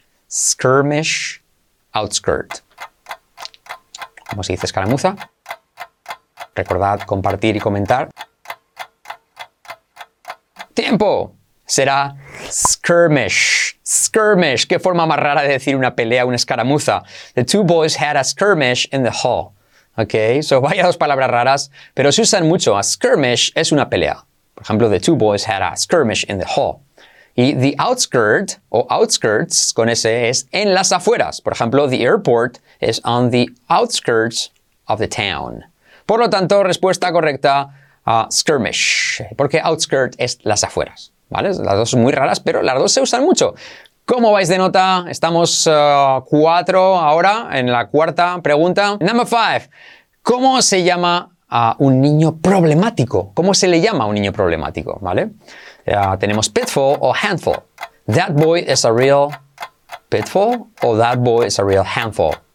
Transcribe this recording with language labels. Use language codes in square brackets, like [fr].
[es] Skirmish, outskirt. ¿Cómo se dice escaramuza? Recordad compartir y comentar. ¡Tiempo! Será skirmish. Skirmish. ¿Qué forma más rara de decir una pelea, una escaramuza? [en] The two boys had a skirmish in the hall. [es] Ok, so vaya dos palabras raras, pero se usan mucho. A skirmish es una pelea. Por ejemplo, [en] the two boys had a skirmish in the hall. [es] Y the outskirt o outskirts con ese es en las afueras. Por ejemplo, [en] the airport is on the outskirts of the town. [es] Por lo tanto, respuesta correcta a skirmish, porque outskirt es las afueras. ¿Vale? Las dos son muy raras, pero las dos se usan mucho. ¿Cómo vais de nota? Estamos 4 ahora en la cuarta pregunta. [en] Number 5. [es] ¿Cómo se llama a un niño problemático? ¿Cómo se le llama a un niño problemático? ¿Vale? Tenemos pitfall o handful. [en] That boy is a real pitfall o that boy is a real handful.